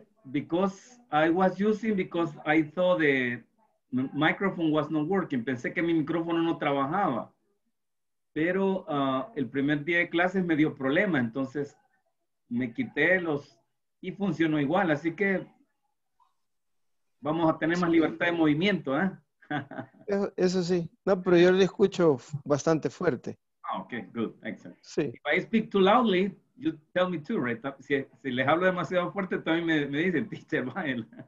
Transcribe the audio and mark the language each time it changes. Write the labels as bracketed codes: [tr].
[en] Because I was using, because I thought the microphone was not working. [es] Pensé que mi micrófono no trabajaba. Pero el primer día de clases me dio problema, entonces me quité los y funcionó igual, así que vamos a tener más libertad de movimiento, ¿eh? Eso sí. No, pero yo le escucho bastante fuerte. [en] Ah, okay, good, excellent. [es] Sí. [en] If I speak too loudly, you tell me too, right? [es] Si les hablo demasiado fuerte, también me dicen, teacher, bájale.